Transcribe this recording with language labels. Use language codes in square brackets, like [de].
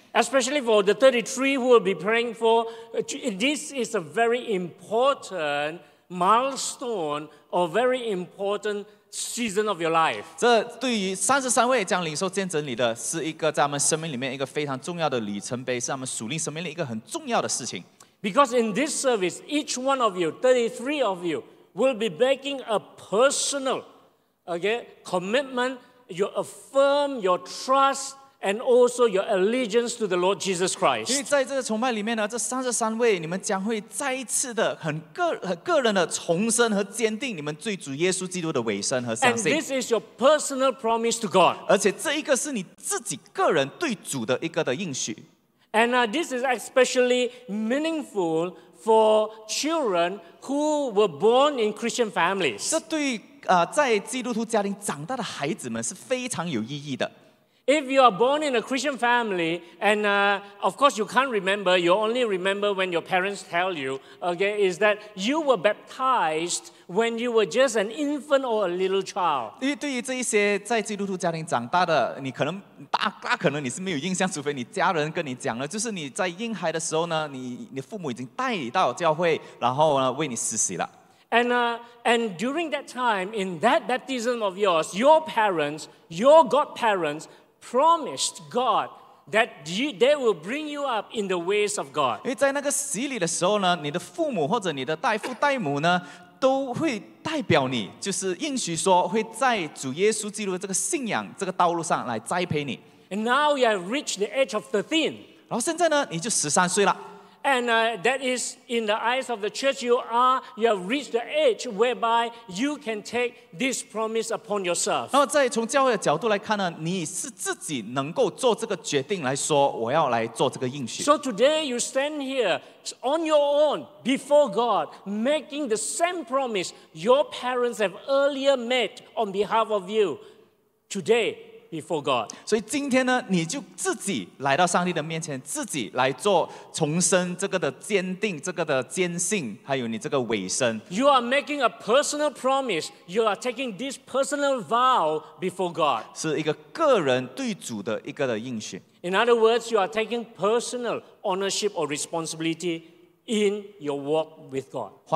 [en] Especially for the 33 who will be praying for, this is a very important milestone or very important season of your life. [zh] 这对于33位将领受见证礼的，是一个在他们生命里面一个非常重要的里程碑，是他们属灵生命里一个很重要的事情。 [en] Because in this service, each one of you, 33 of you, will be making a personal, commitment. You affirm your trust and also your allegiance to the Lord Jesus Christ. [zh] 因为在这个崇拜里面呢，这33位你们将会再一次的很个人的重申和坚定你们对主耶稣基督的委身和相信。 [en] And this is your personal promise to God. [zh] 而且这一个是你自己个人对主的一个的应许。 [en] And this is especially meaningful for children who were born in Christian families. [zh] 这对在基督徒家庭长大的孩子们是非常有意义的。 [en] If you are born in a Christian family, and of course you can't remember, you only remember when your parents tell you, is that you were baptized when you were just an infant or a little child. [zh] 因为对于这一些在基督徒家庭长大的，你可能大可能你是没有印象，除非你家人跟你讲了，就是你在婴孩的时候呢，你父母已经带你到教会，然后呢为你施洗了。 [en] And during that time, in that baptism of yours, your parents, your godparents, promised God that they will bring you up in the ways of God. [zh] 因为在那个洗礼的时候呢，你的父母或者你的代父代母呢，都会代表你，就是应许说会在主耶稣基督的这个信仰这个道路上来栽培你。 [en] And now you have reached the age of 13. [zh] 然后现在呢，你就13岁了。 [en] And that is in the eyes of the church, you have reached the age whereby you can take this promise upon yourself. [zh] 然后在从教会的角度来看呢，你是自己能够做这个决定来说，我要来做这个应许。 [en] So today you stand here on your own before God, making the same promise your parents have earlier made on behalf of you today. Before God. [zh] 所以今天呢，你就自己来到上帝的面前，自己来做重申这个的坚定，这个的坚信，还有你这个委身。 [en] You are making a personal promise. You are taking this personal vow before God. [zh] 是一个个人对主的一个的应许。 [en] In other words, you are taking personal ownership or responsibility in your walk with God.